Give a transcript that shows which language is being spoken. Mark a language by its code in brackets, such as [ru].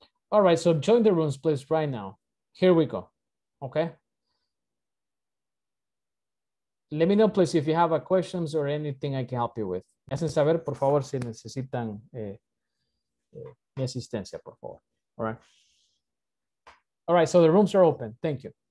[en] All right, so join the rooms, please, right now. Here we go, okay? Let me know, please, if you have questions or anything I can help you with. [es] Hacen saber, por favor, si necesitan mi asistencia, por favor, [en] all right? All right, so the rooms are open, thank you.